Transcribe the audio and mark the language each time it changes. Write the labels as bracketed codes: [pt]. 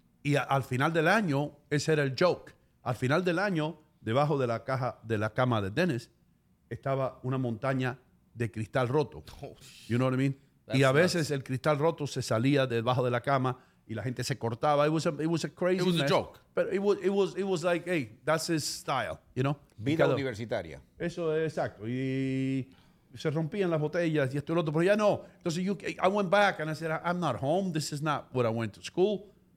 [es] Y al final del año, ese era el joke. Al final del año, debajo de la caja de la cama de Dennis, estaba una montaña de cristal roto. [en] Oh, you know what I mean? Y a veces el cristal roto se salía debajo de la cama y la gente se cortaba. It was a crazy mess. It was a joke. But it was like, hey, that's his style, you know? [es] Vida universitaria. Eso es exacto. Y... se rompían las botellas y esto y lo otro, pero ya no. [en] Entonces, I went back and I said, I'm not home. This is not what I went to school.